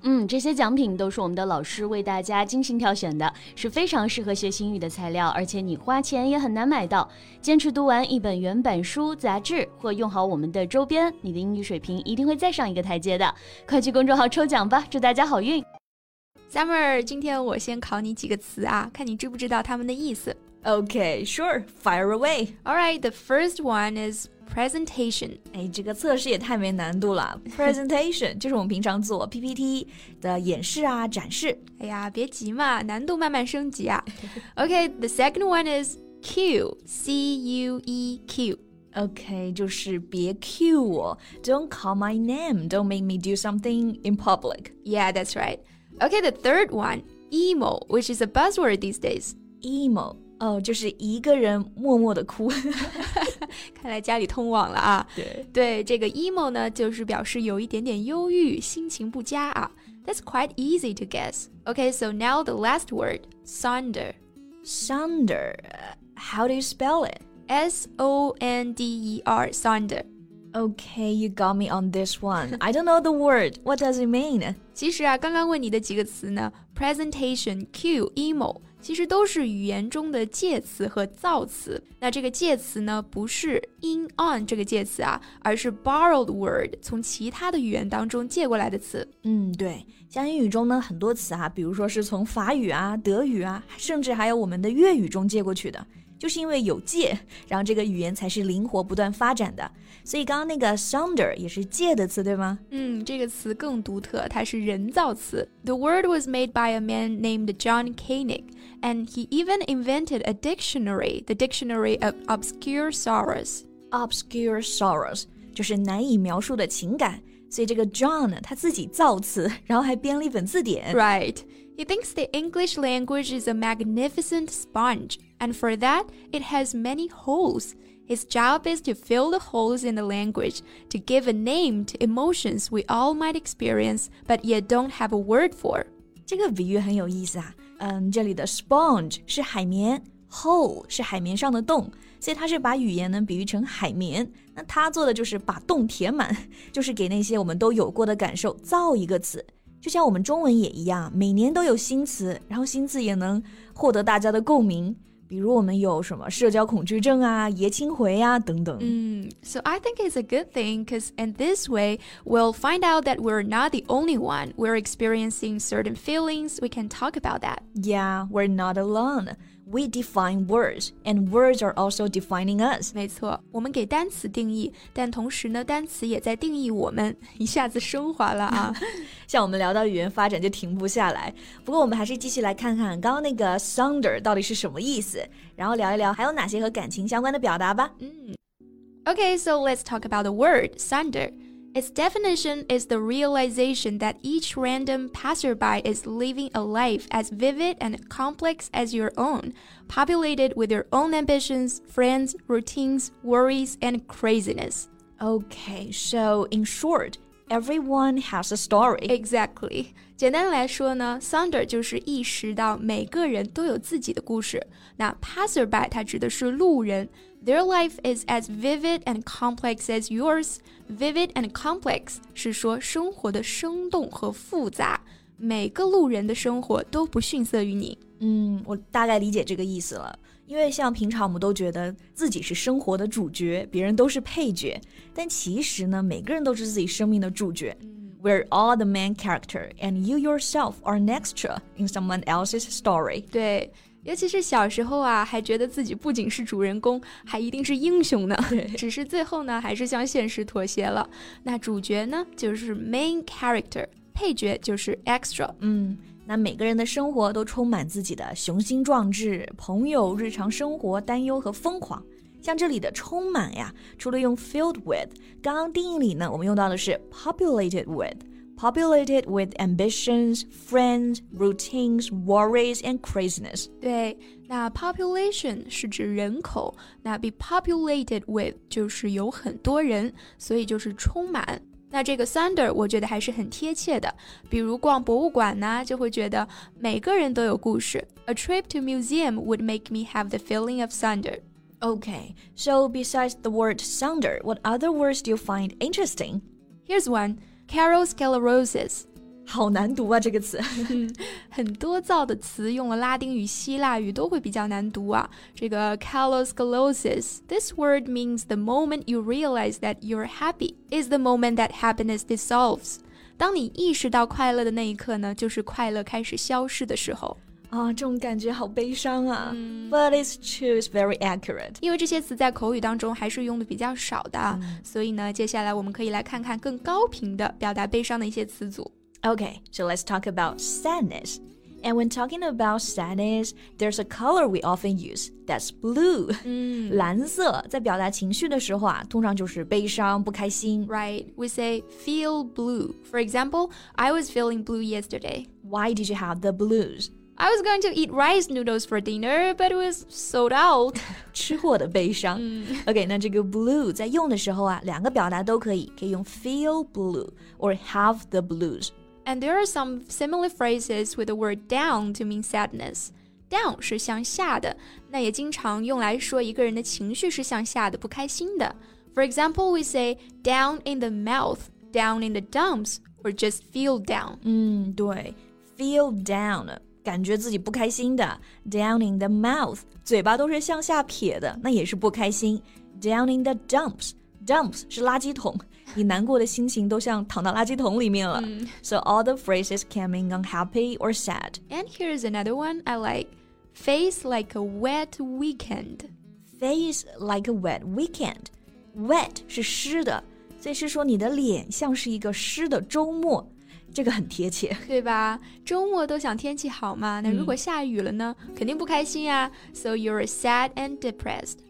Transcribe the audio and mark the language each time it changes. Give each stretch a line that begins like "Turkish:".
Chinese: 嗯，这些奖品都是我们的老师为大家精心挑选的，是非常适合学英语的材料，而且你花钱也很难买到。坚持读完一本原版书、杂志或用好我们的周边，你的英语水平一定会再上一个台阶的。快去公众号抽奖吧，祝大家好运。 Summer， 今天我先考你几个词啊，看你知不知道他们的意思。
English: Okay, sure, fire away. All right, the first one is presentation.
Chinese: 哎，这个测试也太没难度了。Presentation 就是我们平常做 PPT 的演示啊，展示。哎呀，别急嘛，难度慢慢升级啊。
English: Okay, the second one is cue, C-U-E-Q. Okay,
Chinese: 就是别 cue 我
English: Don't call my name. Don't make me do something in public. Yeah, that's right. Okay, the third one, emo, which is a buzzword these days.
Chinese: Emo, 哦，就是一个人默默的哭。看来家里通网了啊。对，这个 emo 呢，就是表示有一点点忧郁，心情不佳啊。
English: That's quite easy to guess. Okay, so now the last word, sonder. Sonder, how do you spell it? S-O-N-D-E-R, Sonder. Okay, you got me on this one. I don't know the word. What does it mean?
Chinese: 其实啊，刚刚问你的几个词呢 ,presentation, cue, emo, 其实都是语言中的介词和造词。那这个介词呢不是 in on 这个介词啊，而是 borrowed word, 从其他的语言当中借过来的词。嗯，对。像英语中呢很多词啊，比如说是从法语啊、德语啊，甚至还有我们的粤语中借过去的。就是因为有借，然后这个语言才是灵活不断发展的。所以刚刚那个 sonder 也是借的词，对吗？嗯，这个词更独特，它是人造词。
English: The word was made by a man named John Koenig, and he even invented a dictionary, the Dictionary of Obscure Sorrows.
Chinese: Obscure Sorrows 就是难以描述的情感。所以这个 John 他自己造词，然后还编了一本字典。
English: Right. He thinks the English language is a magnificent sponge. And for that, it has many holes. His job is to fill the holes in the language, to give a name to emotions we all might experience, but yet don't have a word for.
Chinese: 这个比喻很有意思啊。嗯，这里的 sponge 是海绵 ,hole 是海绵上的洞。所以他是把语言呢比喻成海绵，那他做的就是把洞填满，就是给那些我们都有过的感受造一个词。就像我们中文也一样，每年都有新词，然后新词也能获得大家的共鸣。比如我们有什么社交恐惧症啊、爷青回啊等等。
English: 嗯、So I think it's a good thing, because in this way, we'll find out that we're not the only one. We're experiencing certain feelings, we can talk about that. Yeah, we're not alone. We define words, and words are also defining us.
Chinese: 没错，我们给单词定义，但同时呢，单词也在定义我们，一下子升华了啊。像我们聊到语言发展就停不下来，不过我们还是继续来看看刚刚那个 sonder 到底是什么意思，然后聊一聊还有哪些和感情相关的表达吧。
English: 嗯 Okay, so let's talk about the word sonder. Its definition is the realization that each random passerby is living a life as vivid and complex as your own, populated with your own ambitions, friends, routines, worries, and craziness. Okay, so in shortEveryone has a story. Exactly.
Chinese: 简单来说呢 ,Sonder 就是意识到每个人都有自己的故事。那 passerby 它指的是路人。
English: Their life is as vivid and complex as yours.
Chinese: Vivid and complex 是说生活的生动和复杂。每个路人的生活都不逊色于你。嗯，我大概理解这个意思了。因为像平常我们都觉得自己是生活的主角，别人都是配角，但其实呢，每个人都是自己生命的主角。
English: We're all the main character, and you yourself are an extra in someone else's story.
Chinese: 对，尤其是小时候啊，还觉得自己不仅是主人公，还一定是英雄呢。只是最后呢，还是向现实妥协了。那主角呢，就是 main character, 配角就是 extra。嗯。那每个人的生活都充满自己的雄心壮志，朋友、日常生活、担忧和疯狂。像这里的充满呀，除了用 filled with, 刚刚定义里呢，我们用到的是
English: populated with ambitions, friends, routines, worries, and craziness.
Chinese: 对，那 population 是指人口，那 be populated with 就是有很多人，所以就是充满。那这个 Sander 我觉得还是很贴切的，比如逛博物馆呢，就会觉得每个人都有故事。
English: A trip to museum would make me have the feeling of Sander. Okay, so besides the word Sander, what other words do you find interesting? Here's one, Carol Scalarosis.
Chinese: 好难读啊这个词很多造的词用了拉丁语希腊语都会比较难读啊这个 Kaloskalosis
English: This word means the moment you realize that you're happy is the moment that happiness dissolves
Chinese: 当你意识到快乐的那一刻呢就是快乐开始消失的时候啊，这种感觉好悲伤啊、
English: But it's true, it's very accurate
Chinese: 因为这些词在口语当中还是用的比较少的、所以呢接下来我们可以来看看更高频的表达悲伤的一些词组
English: Okay, so let's talk about sadness. And when talking about sadness, there's a color we often use, that's blue.
Chinese: 蓝色在表达情绪的时候啊，通常就是悲伤，不开心。
English: Right, we say feel blue. For example, I was feeling blue yesterday. Why did you have the blues? I was going to eat rice noodles for dinner, but it was sold out.
Chinese: 吃货的悲伤。 Okay, 那这个 blue 在用的时候啊，两个表达都可以，可以用
English: feel blue or have the blues. And there are some similar phrases with the word down to mean sadness.
Chinese: Down 是向下的，那也经常用来说一个人的情绪是向下的，不开心的。
English: For example, we say down in the mouth, down in the dumps, or just feel down. 对 feel down.
Chinese: 感觉自己不开心的
English: down in the mouth
Chinese: 嘴巴都是向下撇的那也是不开心
English: down in the dumps dumps
Chinese: 是垃圾桶你难过的心情都像躺到垃圾桶里面了、
English: So all the phrases can mean unhappy or sad And here's another one I like Face like a wet weekend Face like a wet weekend
Chinese: Wet 是湿的所以是说你的脸像是一个湿的周末这个很贴切对吧周末都想天气好嘛那如果下雨了呢、肯定不开心啊
English: So you're sad and depressed